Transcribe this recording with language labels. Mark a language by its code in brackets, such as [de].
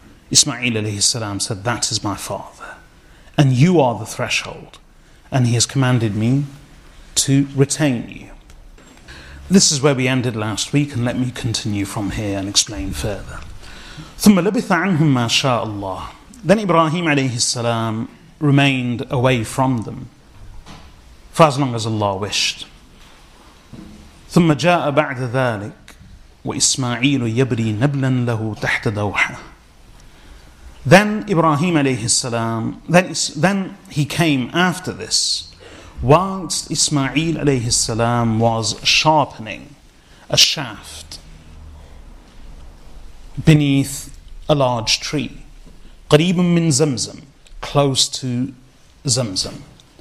[en] Ismail alayhi salam said, that is my father, and you are the threshold, and he has commanded me to retain you. This is where we ended last week, and let me continue from here and explain further. [ar] ثُمَّ لَبِثَ عَنْهُمْ مَا شَاءَ اللَّهِ [en] Then Ibrahim alayhi salam remained away from them for as long as Allah wished. [ar] ثم جاء بعد ذلك وإسماعيل يبري نبلا له تحت دوحة. [en] Then Ibrahim alayhi salam, then he came after this, whilst Ismail alayhi salam was sharpening a shaft beneath a large tree, [ar] قريب من زمزم, [en] close to زمزم.